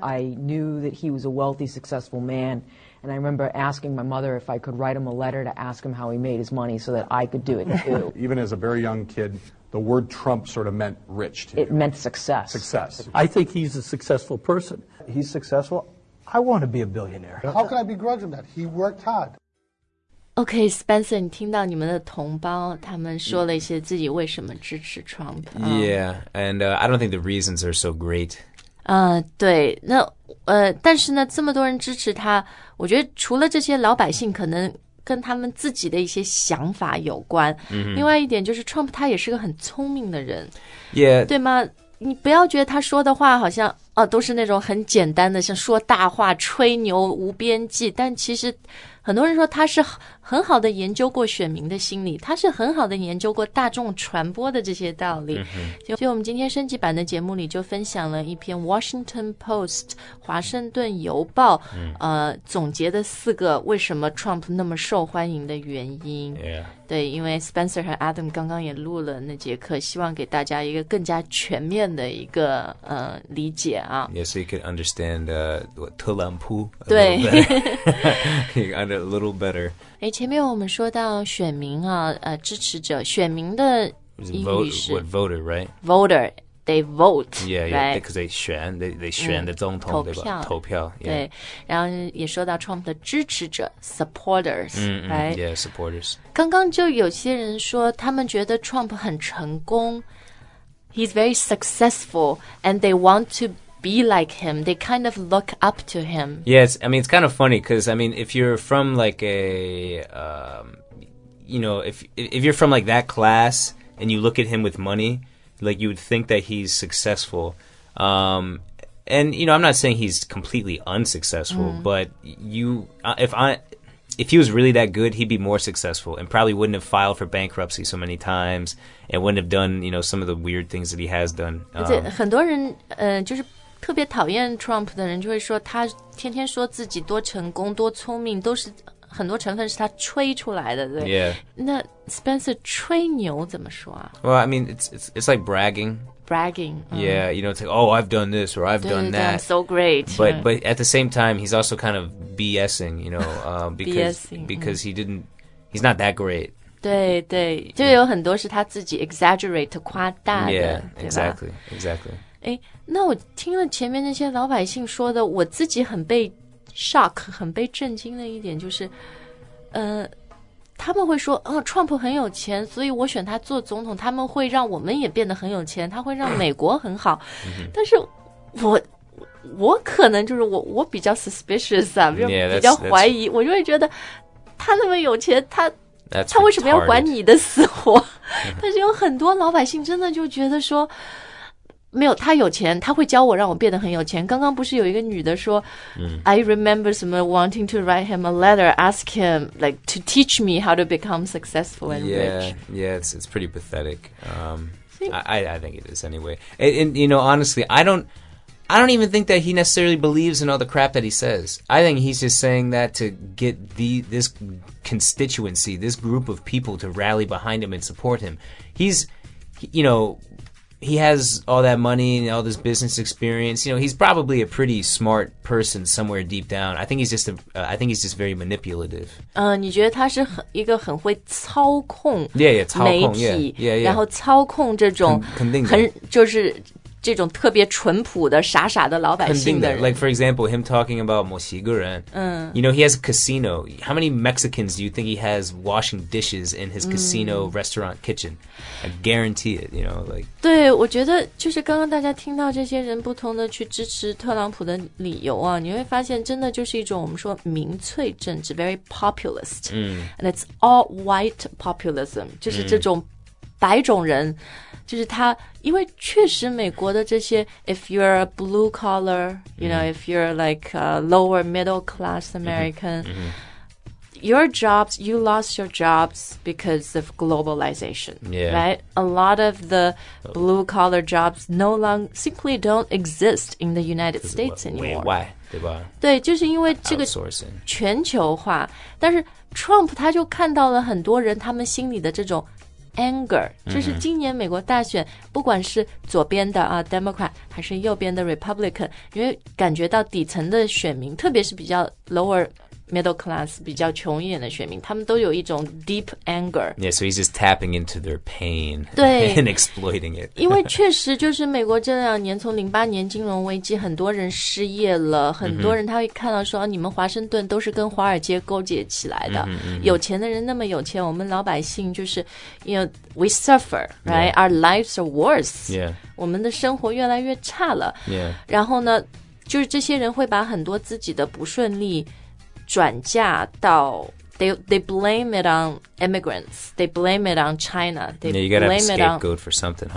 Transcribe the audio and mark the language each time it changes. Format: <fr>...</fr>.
<en>I knew that he was a wealthy, successful man, and I remember asking my mother if I could write him a letter to ask him how he made his money so that I could do it too. Even as a very young kid, the word Trump sort of meant rich to you. It meant success. Success. I think he's a successful person. He's successful. I want to be a billionaire. How can I begrudge him that? He worked hard.</en> <zh>Okay, Spencer, 你听到你们的同胞他们说了一些自己为什么支持 Trump.</zh> <en>Yeah, and I don't think the reasons are so great.</en> <zh>对，那但是呢，这么多人支持他，我觉得除了这些老百姓可能跟他们自己的一些想法有关。 Mm-hmm. 另外一点就是 Trump 他也是个很聪明的人。 Yeah. 对吗？你不要觉得他说的话好像都是那种很简单的，像说大话、吹牛、无边际，但其实很多人说他是很好的研究过选民的心理，他是很好的研究过大众传播的这些道理。 Mm-hmm. 就我们今天升级版的节目里就分享了一篇 Washington Post 华盛顿邮报、 mm-hmm. 总结的四个为什么 Trump 那么受欢迎的原因。 Yeah. 对，因为 Spencer 和 Adam 刚刚也录了那节课，希望给大家一个更加全面的一个理解啊。</zh> <en>Yeah, so you could understand what 特朗普</en> <zh>对</zh> <en>a little better.</en> <zh>前面我们说到选民啊，支持者，选民的英语是</zh> <en>voter, right? Voter, they vote, yeah, right?</en> <zh>Because they 选 they 选的总统，对吧？投票，对。然后也说到 Trump 的支持者 supporters, right?</zh> <en>Yeah, supporters. 刚刚就有些人说他们觉得 Trump 很成功 ，</en> <zh>he's very successful, and they want to. Be like him.</zh> <en>They kind of look up to him. Yes, I mean, it's kind of funny because, I mean, if you're from like a, you know, if you're from like that class and you look at him with money, like you would think that he's successful. And, you know, I'm not saying he's completely unsuccessful, but if he was really that good, he'd be more successful and probably wouldn't have filed for bankruptcy so many times and wouldn't have done, you know, some of the weird things that he has done.</en> <zh>很多人就是特别讨厌 Trump 的人就会说他天天说自己多成功多聪明都是很多成分是他吹出来的对、 yeah. 那 Spencer 吹牛怎么说啊</zh> <en>Well, I mean, it's like bragging. Yeah, you know, it's like, oh, I've done this or I've done that. I'm so great. But at the same time, he's also kind of BSing, you know, because he didn't, he's not that great.</en> <zh>对对就有很多是他自己 exaggerate, 夸大的</zh> <en>Yeah, exactly.</en> <zh>那我听了前面那些老百姓说的我自己很被 shock 很被震惊的一点就是他们会说哦 Trump 很有钱所以我选他做总统他们会让我们也变得很有钱他会让美国很好但是我可能就是我比较 suspicious 啊比较怀疑 我就会觉得他那么有钱他为什么要管你的死活但是有很多老百姓真的就觉得说没有他有钱他会教我让我变得很有钱刚刚不是有一个女的说、 I remember someone wanting to write him a letter ask him like to teach me how to become successful and yeah,</zh> <en>rich yeah it's pretty pathetic I think it is anyway and you know honestly I don't even think that he necessarily believes in all the crap that he says I think he's just saying that to get this constituency this group of people to rally behind him and support him he's you knowHe has all that money and all this business experience. You know, he's probably a pretty smart person somewhere deep down. I think he's just very manipulative.</en> <zh>你觉得他是一个很会操控媒体 yeah, 操控 yeah. 然后操控这种很就是这种特别淳朴的傻傻的老百姓的人</zh> <en>Like, for example, him talking about 墨西哥人 You know, he has a casino. How many Mexicans do you think he has washing dishes in his casino restaurant kitchen? I guarantee it, you know, like</en> <zh>对，我觉得就是刚刚大家听到这些人不同的去支持特朗普的理由啊，你会发现真的就是一种我们说民粹政治 very populist And it's all white populism 就是这种白种人就是他因为确实美国的这些 if you're a blue collar, you know, if you're like a lower middle class American,</zh> <en>your jobs, you lost your jobs because of globalization, yeah. right? A lot of the blue-collar jobs no longer simply don't exist in the United States anymore.</en> <zh>对吧? 对，就是因为这个全球化。但是 Trump 他就看到了很多人他们心里的这种 anger， 就是今年美国大选，不管是左边的啊 Democrat 还是右边的 Republican， 因为感觉到底层的选民，特别是比较 lower middle class 比较穷一点的选民，他们都有一种 deep anger。</zh> <en>Yeah, so he's just tapping into their pain.</en> <zh>对</zh> <en>，and exploiting it.</en> <zh>因为确实就是美国这两年，从零八年金融危机，很多人失业了，很多人他会看到说，你们华盛顿都是跟华尔街勾结起来的， mm-hmm.</zh> <en>有钱的人那么有钱，我们老百姓就是，you know, we suffer, right?、Yeah. Our lives are worse. Yeah,</en> <zh>我们的生活越来越差了。 Yeah, 然后呢，就是这些人会把很多自己的不顺利。</zh> <en>转嫁到 they blame it on immigrants, they blame it on China, they yeah, you gotta blame it on scapegoat for something.、Huh?</en>